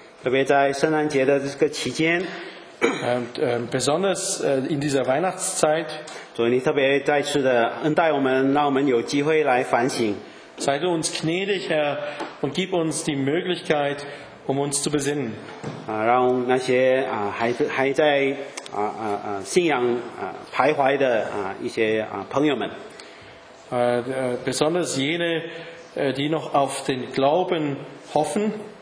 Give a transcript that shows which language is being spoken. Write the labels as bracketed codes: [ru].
[de] Und, besonders in dieser Weihnachtszeit, sei du uns gnädig, Herr, und gib uns die Möglichkeit, um uns zu besinnen. [zh] 让那些还在信仰徘徊的一些朋友们。 [de] Besonders jene, die noch auf den Glauben hoffen,